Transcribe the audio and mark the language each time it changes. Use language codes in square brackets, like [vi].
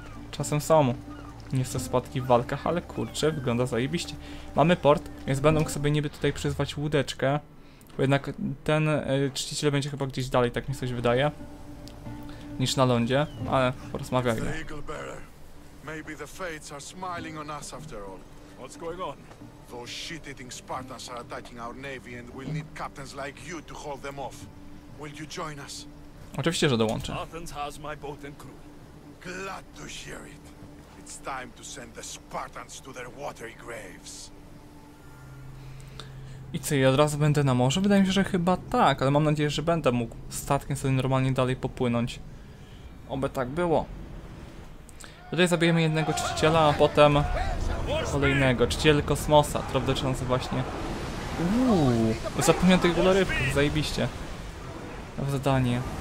[pl] Czasem są nieco spadki w walkach, ale kurczę, wygląda zajebiście. Mamy port, więc będę mógł sobie niby tutaj przyzwać łódeczkę, bo jednak ten czciciel będzie chyba gdzieś dalej, tak mi coś wydaje, niż na lądzie, ale porozmawiajmy. [en] Maybe the fates are smiling on us after all. What's going on? Those shit-eating Spartans are attacking our navy and we'll need captains like you to hold them off. Will you join us? [pl] Oczywiście, że dołączę. [en] Athens has my boat and crew. Glad to hear it. It's time to send the Spartans to their watery graves. [pl] I co, ja od razu będę na morzu? Wydaje mi się, że chyba tak, ale mam nadzieję, że będę mógł statkiem sobie normalnie dalej popłynąć. Oby tak było. Tutaj zabijemy jednego czciciela, a potem kolejnego. Czciciel kosmosa, trafdoczący właśnie. Uuu, zapomniałem tych wielorybków, zajebiście. W zadanie.